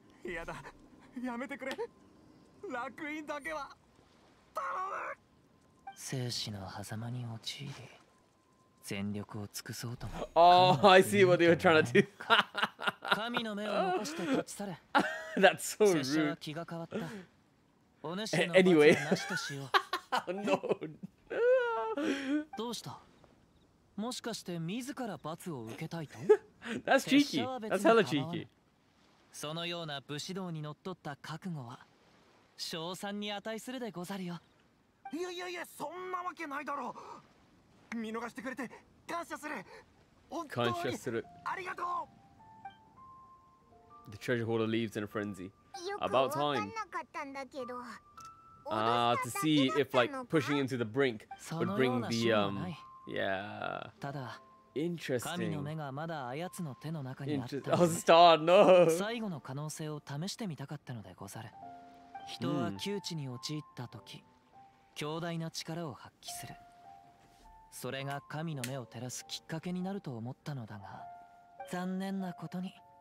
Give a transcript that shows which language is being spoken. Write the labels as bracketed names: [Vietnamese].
[Japanese] やだ、やめてくれ。楽園だけは頼む。生死の狭間に陥り、全力を尽くそうとも。 [English] Oh, I see what they were trying to do. [Japanese] 神の目を残して立ち去れ。 [English] That's so rude. 拙 [Japanese] 者は気が変わった。 [English] Anyway, no. [Japanese] どうした？もしかして自ら罰を受けたいと？ [English] That's cheeky. That's hella cheeky. [Japanese] そのような武士道にのっとった覚悟は賞賛に値するでござるよ。いやいやいや、そんなわけないだろう。見逃してくれて感謝する。感謝する。ありがとう。 [English] The treasure hoarder leaves in a frenzy. About time. To see if like pushing into the brink would bring the yeah. Interesting. Interesting. Star, no. [Japanese] 最後の可能性を試してみたかったのでござる。人は窮地に陥った時、強大な力を発揮する。それが神の目を照らすきっかけになると思ったのだが、残念なことに。